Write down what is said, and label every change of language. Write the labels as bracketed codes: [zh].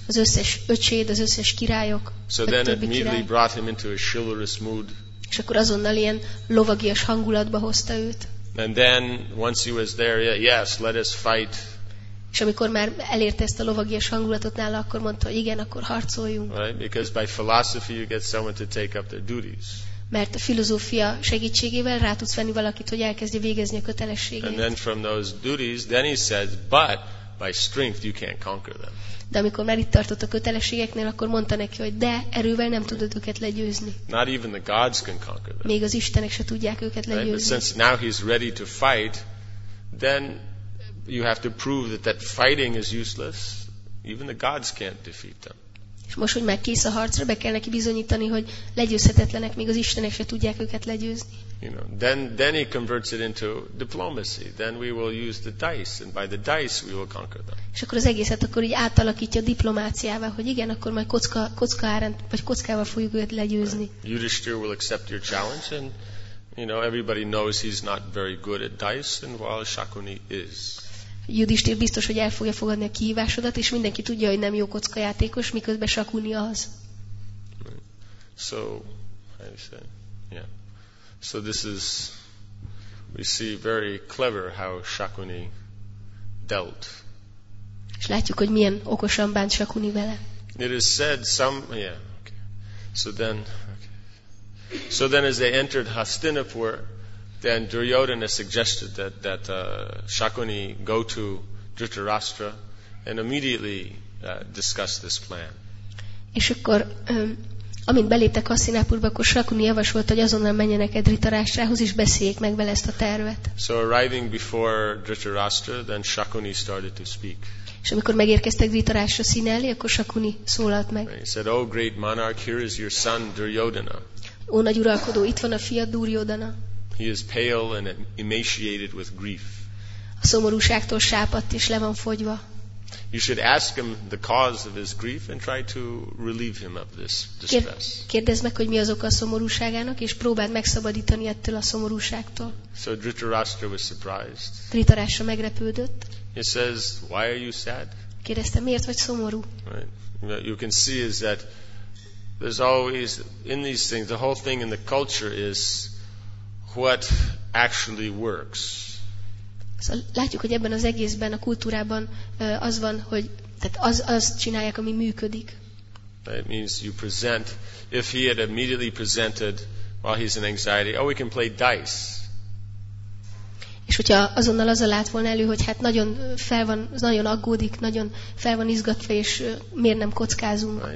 [hu] Az összes öcséd, az összes királyok. [en] So then it immediately brought him into a chivalrous mood. [hu] És akkor azonnal ilyen lovagias hangulatba hozta őt. [en] And then once he was there, yeah, yes, let us fight. [hu] És amikor már elérte ezt a lovagias hangulatot nála, akkor mondta, hogy igen, akkor harcoljunk. [en] Right? Because by philosophy you get someone to take up their duties. [hu] Mert a filozófia segítségével rá tudsz venni valakit, hogy elkezdje végezni a kötelességét. [en] And then from those duties, then he says, but by strength you can't conquer them. [hu] De amikor már itt tartott a kötelességeknél, akkor mondta neki, hogy de erővel nem tudod őket legyőzni. [en] Not even the gods can conquer them. [hu] Még az istenek se tudják őket legyőzni. [en] Right? Since now he's ready to fight, then you have to prove that that fighting is useless. Even the gods can't defeat them. [hu] És most, hogy már kész a harcra, be kell neki bizonyítani, hogy legyőzhetetlenek, még az istenek se tudják őket legyőzni. [en] You know, then he converts it into diplomacy. Then we will use the dice, and by the dice we will conquer them. [hu] És akkor az egészet akkor így átalakítja diplomáciával, hogy igen, akkor majd kockával fogjuk őket legyőzni. [en] Yudhishthira will accept your challenge, and you know, everybody knows he's not very good at dice, and while Shakuni is. [hu] Yudhishthira biztos, hogy el fogja fogadni a kihívásodat, és mindenki tudja, hogy nem jó kockajátékos, miközben Shakuni az. [en] So, how do you say? Yeah. So this is, we see very clever how Shakuni dealt. [hu] És látjuk, hogy milyen okosan bánt Shakuni vele. [en] It is said some, yeah, okay. So then as they entered Hastinapur, then Duryodhana suggested that Shakuni go to Dhritarashtra and immediately discuss this plan. [hu] És akkor amint beléptek Hasztinapurba, akkor Shakuni javasolta, hogy azonnal menjenek Dhritarashtrához és beszéljék meg vele ezt a tervet. [en] So arriving before Dhritarashtra, then Shakuni started to speak. [hu] És amikor megérkeztek Dhritarashtra színe elé, akkor Shakuni szólalt meg. [en] He said, "Oh great monarch, here is your son Duryodhana." [hu] Ó nagy uralkodó, itt van a fiad Duryodhana. [en] He is pale and emaciated with grief. [hu] A szomorúságtól sápadt és le van fogyva. [en] You should ask him the cause of his grief and try to relieve him of this distress. [hu] Kérdezd meg, hogy mi az oka a szomorúságának, és próbáld megszabadítani ettől a szomorúságtól. [en] So Dhritarashtra was surprised. [hu] Dhritarashtra megrepődött. [en] He says, "Why are you sad?" [hu] Kérdezte, miért vagy szomorú? [en] Right. You can see is that there's always in these things, the whole thing in the culture is what actually works. [hu] Szóval látjuk, hogy ebben az egészben a kultúrában az van, hogy tehát az csinálják, ami működik. [en] It means you present. If he had immediately presented while he's in anxiety, oh, we can play dice. [hu] És hogyha azonnal azzal állt volna elő, hogy hát nagyon fel van, nagyon aggódik, nagyon fel van izgatva, és miért nem kockázunk?